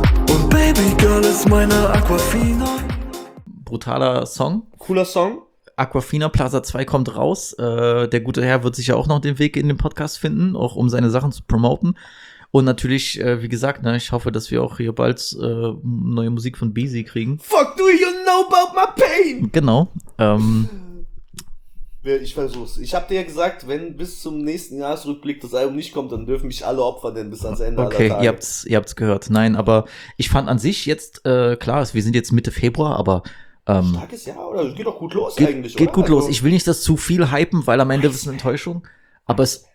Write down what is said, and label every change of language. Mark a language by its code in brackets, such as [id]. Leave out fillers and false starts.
[de] Und Babygirl ist meine Aquafina. Brutaler Song. Cooler Song. Aquafina Plaza 2 kommt raus. Der gute Herr wird sich ja auch noch den Weg in den Podcast finden, auch um seine Sachen zu promoten. Und natürlich, wie gesagt, ne, ich hoffe, dass wir auch hier bald neue Musik von Beezy kriegen. [en] Fuck, do you know about my pain? [de] Genau. Ich versuch's. Ich hab dir ja gesagt, wenn bis zum nächsten Jahresrückblick das Album nicht kommt, dann dürfen mich alle Opfer denn bis ans Ende. Okay, aller Tage. Ihr habt's gehört. Nein, aber ich fand an sich jetzt, klar, wir sind jetzt Mitte Februar, aber. Starkes Jahr, oder? Es geht doch gut los eigentlich. Geht gut los. Ich will nicht das zu viel hypen, weil am Ende ist es eine Enttäuschung. Aber es.